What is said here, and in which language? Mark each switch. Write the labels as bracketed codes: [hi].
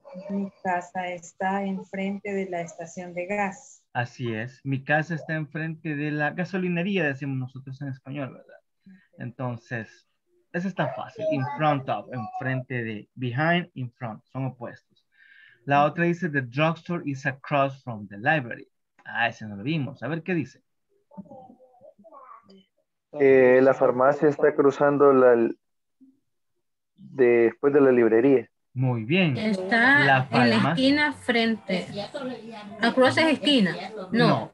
[es] Mi casa está enfrente de la estación de gas. Así es. Mi casa está enfrente de la gasolinería, decimos nosotros en español, ¿verdad? Entonces... Eso está fácil, in front of, enfrente de, behind, in front, son opuestos. La otra dice, [en] the drugstore is across from the library. [es] Ah, ese no lo vimos. A ver, ¿qué dice? La farmacia está cruzando la... después de la librería. Muy bien. Está la en la esquina frente. Across es esquina. No,